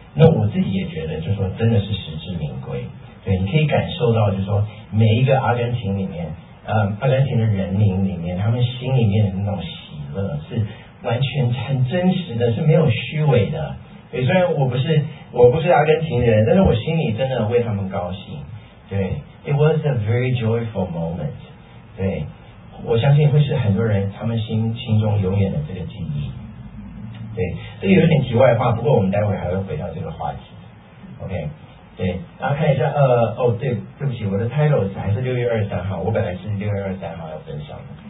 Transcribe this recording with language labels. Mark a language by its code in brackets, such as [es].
[zh] 那我自己也觉得，就说真的是实至名归。对，你可以感受到，就说每一个阿根廷里面，阿根廷的人民里面，他们心里面的那种。是完全很真实的，是没有虚伪的。对，虽然我不是阿根廷人，但是我心里真的为他们高兴。对 [en] ，It was a very joyful moment。 [zh] 对，我相信会是很多人他们心中永远的这个记忆。对，这有点题外话，不过我们待会还会回到这个话题。 OK， 对，然后看一下，对不起，我的 title 还是6月23号，我本来是6月23号要分享的。